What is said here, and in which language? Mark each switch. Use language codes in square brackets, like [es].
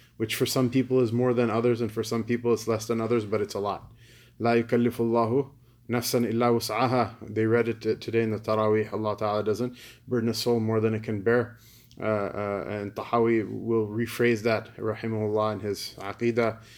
[en] Which for some people is more than others, and for some people it's less than others, but it's a lot. [ar] لا يكلف الله نفسا إلا وسعها. [en] They read it today in the Taraweeh. Allah Ta'ala doesn't burden a soul more than it can bear. And Tahawi will rephrase that, rahimahullah, in his Aqidah.